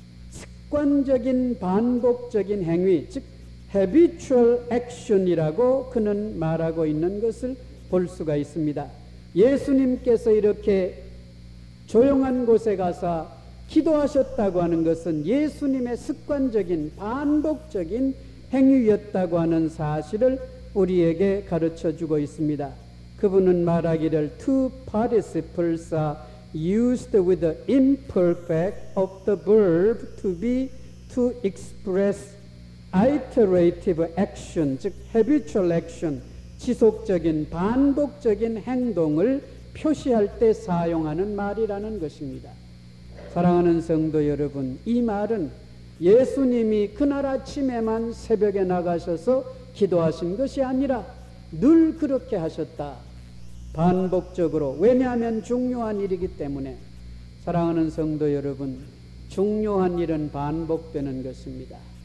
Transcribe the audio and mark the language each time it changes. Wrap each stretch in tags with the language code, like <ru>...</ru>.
<ko>습관적인 반복적인 행위, 즉 habitual action이라고 그는 말하고 있는 것을 볼 수가 있습니다. 예수님께서 이렇게 조용한 곳에 가서 기도하셨다고 하는 것은 예수님의 습관적인 반복적인 행위였다고 하는 사실을 우리에게 가르쳐주고 있습니다. 그분은 말하기를</ko> <en>two participles are used with the imperfect of the verb to be to express iterative action, 즉 habitual action,</en> <ko>지속적인 반복적인 행동을 표시할 때 사용하는 말이라는 것입니다. 사랑하는 성도 여러분, 이 말은 예수님이 그날 아침에만 새벽에 나가셔서 기도하신 것이 아니라 늘 그렇게 하셨다, 반복적으로, 왜냐하면 중요한 일이기 때문에. 사랑하는 성도 여러분, 중요한 일은 반복되는 것입니다.</ko>